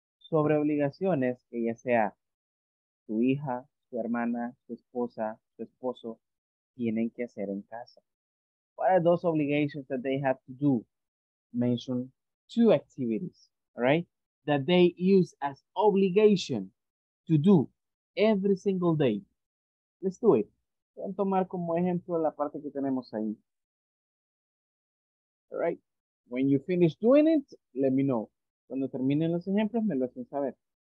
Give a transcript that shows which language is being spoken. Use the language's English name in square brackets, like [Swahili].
[Spanish] Sobre obligaciones, que ya sea tu hija, su hermana, su esposa, su esposo, tienen que hacer en casa. [English] What are those obligations that they have to do mention two activities, all right, that they use as obligation to do every single day. Let's do it. [Spanish] Voy a tomar como ejemplo la parte que tenemos ahí. [English] All right. When you finish doing it, let me know. [Spanish] Cuando terminen los ejemplos, me lo hacen saber.